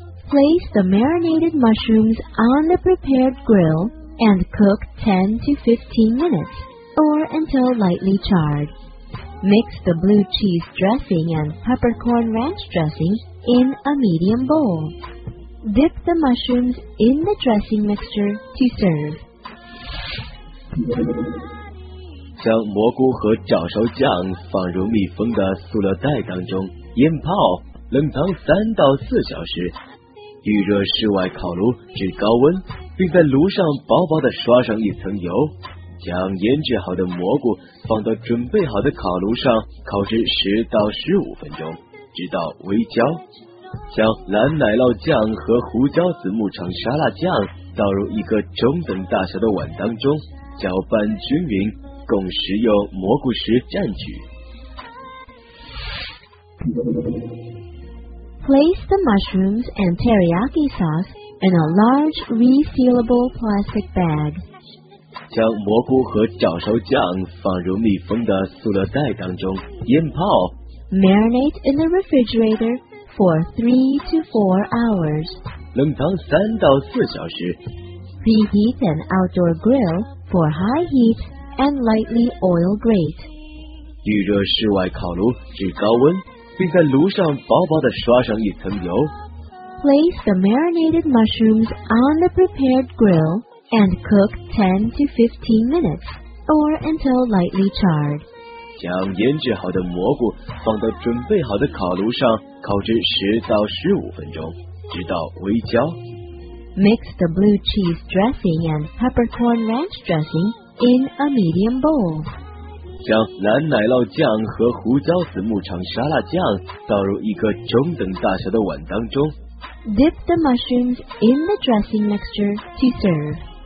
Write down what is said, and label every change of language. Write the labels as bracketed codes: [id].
[en] Place the marinated mushrooms on the prepared grill and cook 10 to 15 minutes or until lightly charred. Mix the blue cheese dressing and peppercorn ranch dressing in a medium bowl. Dip the mushrooms in the dressing mixture to serve. [zh] 将蘑菇和照烧酱放入密封的塑料袋当中，腌泡，冷藏3到4小时。预热室外烤炉至高温，并在炉上薄薄地刷上一层油。将腌制好的蘑菇放到准备好的烤炉上烤至10到15分钟，直到微焦。将蓝奶酪酱和胡椒籽牧场沙拉酱倒入一个中等大小的碗当中，搅拌均匀，供食用蘑菇时蘸取。 [en] Place the mushrooms and teriyaki sauce in a large resealable plastic bag. [zh] 将蘑菇和照烧酱放入密封的塑料袋当中，腌泡。 [en] Marinate in the refrigerator. For 3 to 4 hours. [zh] 冷藏3到4小时。 [en] Preheat an outdoor grill for high heat and lightly oil grate. [zh] 预热室外烤炉至高温，并在炉上薄薄地刷上一层油。 [en] Place the marinated mushrooms on the prepared grill and cook 10 to 15 minutes or until lightly charred. [zh] 将腌制好的蘑菇放到准备好的烤炉上烤至10到15分钟直到微焦。 [en] Mix the blue cheese dressing and peppercorn ranch dressing in a medium bowl. [zh] 将蓝奶酪酱和胡椒籽牧场沙拉酱倒入一个中等大小的碗当中。 [en] Dip the mushrooms in the dressing mixture to serve.